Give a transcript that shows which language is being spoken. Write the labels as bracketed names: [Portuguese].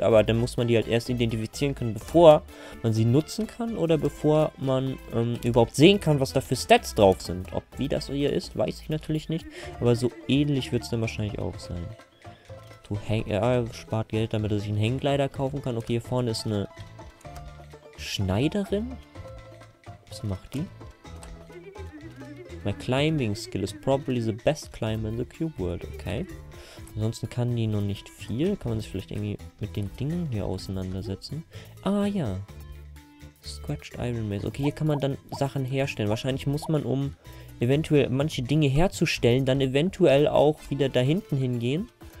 [German] Aber dann muss man die halt erst identifizieren können, bevor man sie nutzen kann oder bevor man überhaupt sehen kann, was da für Stats drauf sind. Ob wie das hier ist, weiß ich natürlich nicht. Aber so ähnlich wird es dann wahrscheinlich auch sein. Spart Geld, damit er sich einen Hanglider kaufen kann. Okay, hier vorne ist eine Schneiderin. Was macht die? [English] My climbing skill is probably the best climber in the cube world. Okay. [German] Ansonsten kann die noch nicht viel. Kann man sich vielleicht irgendwie mit den Dingen hier auseinandersetzen? Ah, ja. Scratched Iron Mace. Okay, hier kann man dann Sachen herstellen. Wahrscheinlich muss man, um eventuell manche Dinge herzustellen, dann eventuell auch wieder da hinten hingehen.